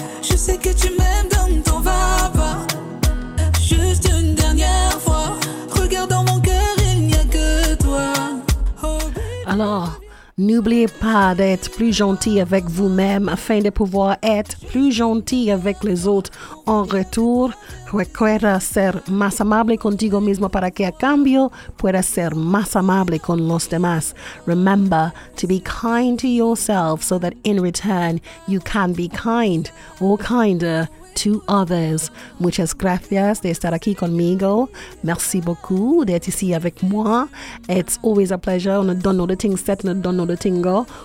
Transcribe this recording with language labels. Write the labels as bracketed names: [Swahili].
[French] Je sais que tu m'aimes, donc t'en vas pas. Juste une dernière fois. Regarde dans mon cœur, il n'y a que toi. Oh, alors n'oubliez pas d'être plus gentil avec vous-même afin de pouvoir être plus gentil avec les autres en retour. [Spanish] Recuerda ser más amable contigo mismo para que a cambio pueda ser más amable con los demás. [English] Remember to be kind to yourself so that in return you can be kind or kinder to others. [Spanish] Muchas gracias de estar aquí conmigo. [French] Merci beaucoup d'être ici avec moi. [English] It's always a pleasure. On a done all the things set and a done all the tingle.